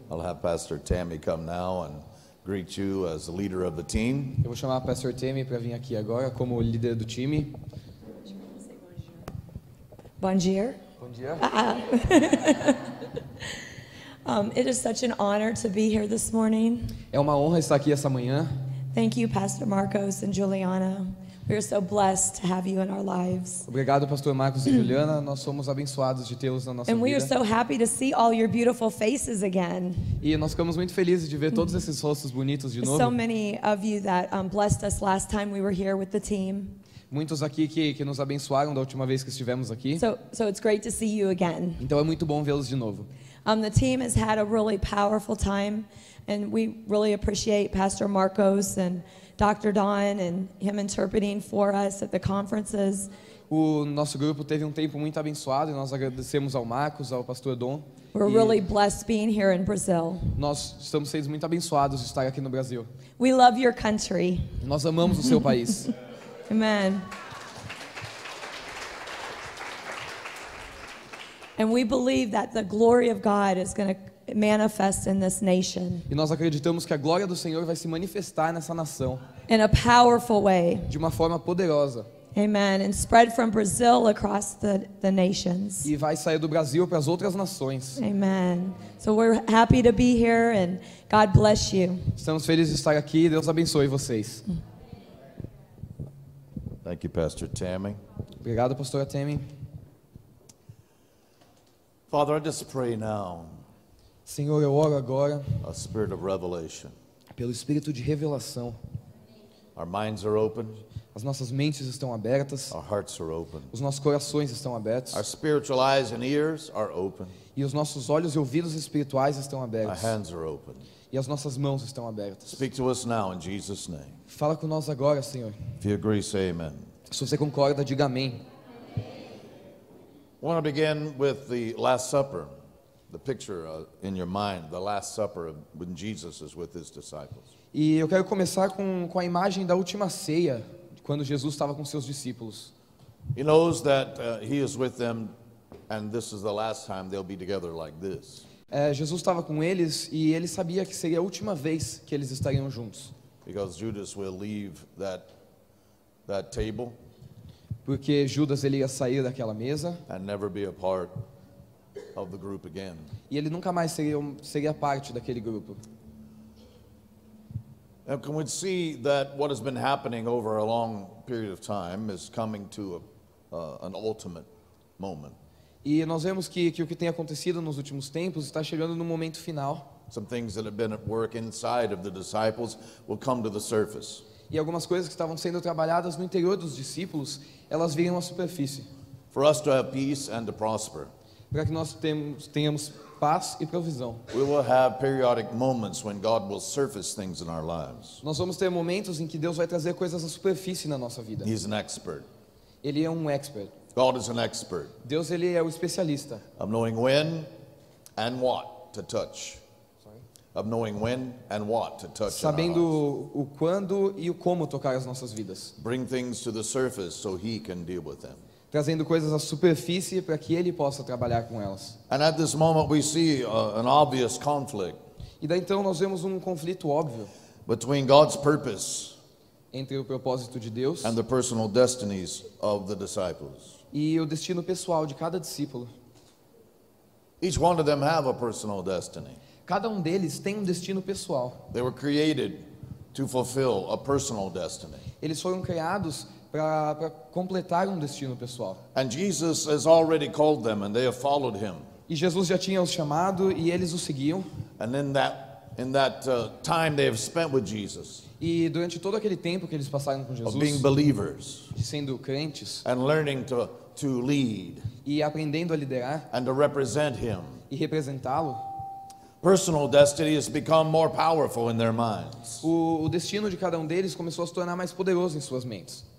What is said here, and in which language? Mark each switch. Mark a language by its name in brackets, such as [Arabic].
[English] I'll have Pastor Tammy come now and greet you as leader of the team. [Portuguese] Eu vou chamar a Pastor Tammy para vir aqui agora como líder do time. Bom dia. Bom dia. [English] It is such an honor to be here this morning. [Portuguese] É uma honra estar aqui essa manhã. [English] Thank you, Pastor Marcos and Juliana. We are so blessed to have you in our lives. [Portuguese] Obrigado, Pastor Marcos e Juliana. Nós somos abençoados de tê-los na nossa vida. [English] And we are so happy to see all your beautiful faces again. [Portuguese] E nós ficamos muito felizes de ver todos esses rostos bonitos de novo. [English] So many of you that blessed us last time we were here with the team. [Portuguese] Muitos aqui que nos abençoaram da última vez que estivemos aqui. [English] So it's great to see you again. [Portuguese] Então é muito bom vê-los de novo. [English] The team has had a really powerful time, and we really appreciate Pastor Marcos and Dr. Don and him interpreting for us at the conferences. [Portuguese] O nosso grupo teve tempo muito abençoado, e nós agradecemos ao Marcos, ao Pastor Don. [English] We're really blessed being here in Brazil. [Portuguese] Nós estamos sendo muito abençoados de estar aqui no Brasil. [English] We love your country. [Portuguese] Nós amamos o seu país. [English] Amen. And we believe that the glory of God is going to manifest in this nation. [Portuguese] E nós acreditamos que a glória do Senhor vai se manifestar nessa nação. [English] In a powerful way. [Portuguese] De uma forma poderosa. [English] Amen. And spread from Brazil across the nations. [Portuguese] E vai sair do Brasil para as outras nações. [English] Amen. So we're happy to be here and God bless you. [Portuguese] Estamos felizes de estar aqui e Deus abençoe vocês. [English] Thank you, Pastor Tammy. [Portuguese] Obrigado, Pastor Tammy. [English] Father, I just pray now. [Portuguese] Senhor, eu oro agora. [English] A spirit of revelation. [Portuguese] Pelo espírito de revelação. [English] Our minds are open. [Portuguese] As nossas mentes estão abertas. [English] Our hearts are open. [Portuguese] Os nossos corações estão abertos. [English] Our spiritual eyes and ears are open. [Portuguese] E os nossos olhos e ouvidos espirituais estão abertos. [English] Our hands are open. [Portuguese] E as nossas mãos estão abertas. [English] Speak to us now in Jesus' name. [Portuguese] Fala com nós agora, Senhor. [English] If you agree, say amen. [Portuguese] Se você concorda, diga amém. [English] I want to begin with the Last Supper. The picture in your mind, the Last Supper when Jesus is with his disciples. [Portuguese] E eu quero começar com a imagem da última ceia, quando Jesus estava com seus discípulos. [English] He knows that he is with them and this is the last time they'll be together like this. [Portuguese] Jesus estava com eles e ele sabia que seria a última vez que eles estariam juntos. [English] Because Judas will leave that table. [Portuguese] Porque Judas ele ia sair daquela mesa. [English] And never be a part of the group again. [Portuguese] E ele nunca mais seria parte daquele grupo. [English] And can we see that what has been happening over a long period of time is coming to an ultimate moment. [Portuguese] E nós vemos que o que tem acontecido nos últimos tempos está chegando no momento final. [English] Some things that have been at work inside of the disciples will come to the surface. [Portuguese] E algumas coisas que estavam sendo trabalhadas no interior dos discípulos, elas viram à superfície. [English] For us to have peace and to prosper. [Portuguese] Para que nós tenhamos paz e provisão. [English] We will have periodic moments when God will surface things in our lives. [Portuguese] Nós vamos ter momentos em que Deus vai trazer coisas à superfície na nossa vida. [English] He's an expert. [Portuguese] Ele é um expert. [English] God is an expert. [Portuguese] Deus ele é o especialista. [English] Of knowing when and what to touch. Of knowing when and what to touch. [Portuguese] Sabendo o quando e o como tocar as nossas vidas. [English] Bring things to the surface so he can deal with them. [Portuguese] Trazendo coisas à superfície para que ele possa trabalhar com elas. [English] And at this moment we see an obvious conflict. [Portuguese] E daí então nós vemos conflito óbvio. [English] Between God's purpose. [Portuguese] Entre o propósito de Deus. [English] And the personal destinies of the disciples. [Portuguese] E o destino pessoal de cada discípulo. [English] Each one of them have a personal destiny. [Portuguese] Cada deles tem destino pessoal. [English] They were created to fulfill a personal destiny. [Portuguese] Eles foram criados para completar destino pessoal. [English] And Jesus has already called them and they have followed him. [Portuguese] E Jesus já tinha os chamado e eles o seguiam. [English] And in that time they have spent with Jesus. [Portuguese] E durante todo aquele tempo que eles passaram com Jesus. [English] Of being believers. [Portuguese] Sendo crentes. [English] And learning to lead. [Portuguese] E aprendendo a liderar. [English] And to represent him. [Portuguese] E representá-lo. [English] Personal destiny has become more powerful in their minds. [Portuguese] O destino de cada deles começou a se tornar mais poderoso em suas mentes.